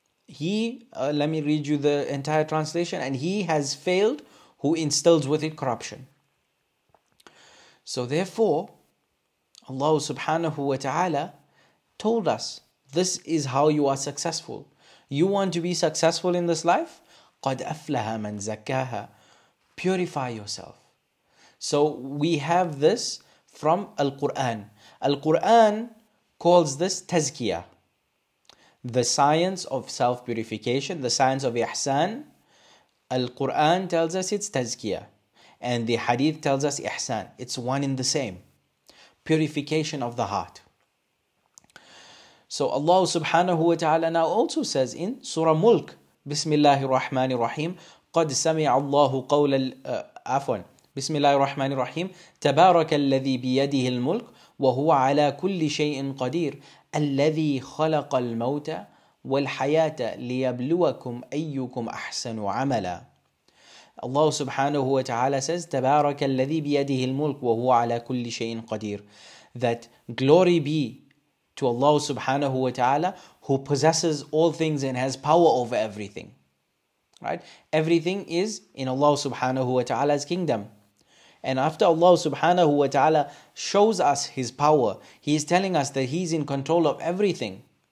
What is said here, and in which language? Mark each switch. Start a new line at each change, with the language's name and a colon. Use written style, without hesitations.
English: Let me read you the entire translation. And he has failed who instills with it corruption. So therefore, Allah subhanahu wa ta'ala told us, this is how you are successful. You want to be successful in this life?
Arabic: قَدْ أَفْلَهَا مَنْ زَكَّاهَا,
English: purify yourself. So we have this from Al-Qur'an. Al-Qur'an calls this tazkiyah, the science of self-purification, the science of ihsan. Al-Qur'an tells us it's tazkiyah, and the hadith tells us ihsan. It's one in the same. Purification of the heart. So Allah subhanahu wa ta'ala now also says in Surah Mulk, Bismillahir Rahmanir Rahim,
Arabic: قَدْ سَمِعَ اللَّهُ قَوْلَ الْأَفْوَانِ, بسم الله الرحمن الرحيم, تَبَارَكَ الَّذِي بِيَدِهِ الْمُلْكِ وَهُوَ عَلَى كُلِّ شَيْءٍ قَدِيرٍ الَّذِي خَلَقَ الْمَوْتَ وَالْحَيَاةَ لِيَبْلُوَكُمْ أَيُّكُمْ أَحْسَنُ عَمَلًا.
English: Allah subhanahu wa ta'ala says,
Arabic: تَبَارَكَ الَّذِي بِيَدِهِ الْمُلْكِ وَهُوَ عَلَى كُلِّ شَيْءٍ قَدِيرٍ,
English: that glory be to Allah subhanahu wa ta'ala, who possesses all things and has power over everything. Right? Everything is in Allah subhanahu wa ta'ala's kingdom. And after Allah subhanahu wa ta'ala shows us His power, He is telling us that He's in control of everything.